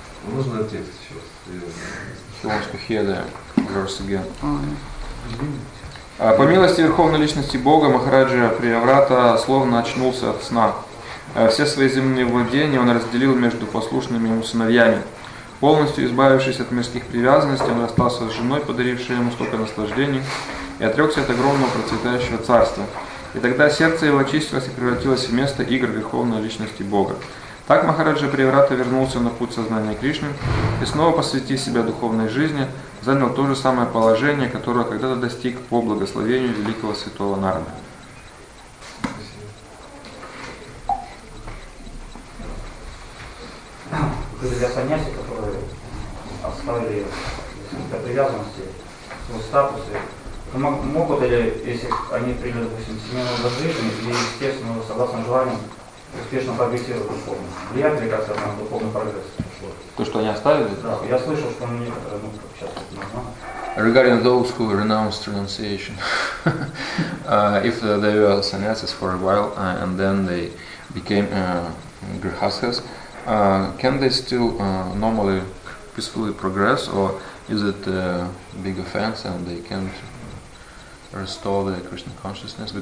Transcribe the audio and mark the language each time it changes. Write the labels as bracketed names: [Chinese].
[Russian] Можно текст еще сделать? [English] He wants to hear the verse again. [Russian] По милости Верховной Личности Бога, Махараджа Приаврата словно очнулся от сна. Все свои земные владения он разделил между послушными ему сыновьями. Полностью избавившись от мирских привязанностей, он расстался с женой, подарившей ему столько наслаждений, и отрекся от огромного процветающего царства. И тогда сердце его очистилось и превратилось в место игр Верховной Личности Бога. Так Махараджа Приврата вернулся на путь сознания Кришны и, снова посвятив себя духовной жизни, занял то же самое положение, которое когда-то достиг по благословению великого святого Нарада. То есть для саньяси, которые оставили для привязанности свой статус, могут ли, если они приняли, допустим, семейное воздвижение, и, естественно, согласно желанию, успешно прогрессировать духовно? Влияет ли как-то на духовный прогресс? То, что они оставили? Да, я слышал, что они некоторые, ну, сейчас не знаю. [English] Regarding those who renounced renunciation, if they were sannyasis for a while and then they became grihasthas, can they still normally peacefully progress, or is it a big offense and they can't restore their Krishna consciousness?